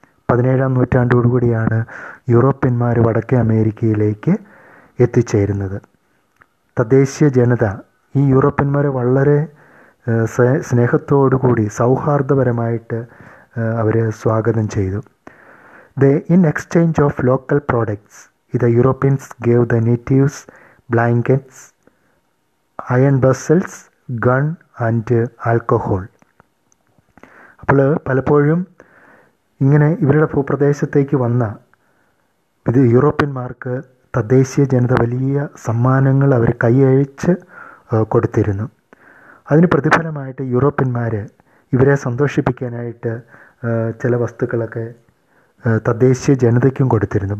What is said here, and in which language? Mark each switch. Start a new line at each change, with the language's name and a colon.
Malayalam: 17th നൂറ്റാണ്ടോടുകൂടിയാണ് യൂറോപ്യന്മാർ വടക്കേ അമേരിക്കയിലേക്ക് എത്തിച്ചേരുന്നത്. തദ്ദേശീയ ജനത ഈ യൂറോപ്യന്മാരെ വളരെ സ്നേഹത്തോടുകൂടി, സൗഹാർദ്ദപരമായിട്ട് അവരെ സ്വാഗതം ചെയ്തു.
English: They, in exchange of local products, the Europeans gave the natives blankets, iron vessels, gun and alcohol.
Malayalam: അപ്പോൾ പലപ്പോഴും ഇങ്ങനെ ഇവരുടെ ഭൂപ്രദേശത്തേക്ക് വന്ന ഇത് യൂറോപ്യന്മാർക്ക് തദ്ദേശീയ ജനത വലിയ സമ്മാനങ്ങൾ അവർ കൈയഴിച്ച് കൊടുത്തിരുന്നു. അതിന് പ്രതിഫലമായിട്ട് യൂറോപ്യന്മാർ ഇവരെ സന്തോഷിപ്പിക്കാനായിട്ട് ചില വസ്തുക്കളൊക്കെ തദ്ദേശീയ ജനതയ്ക്കും കൊടുത്തിരുന്നു.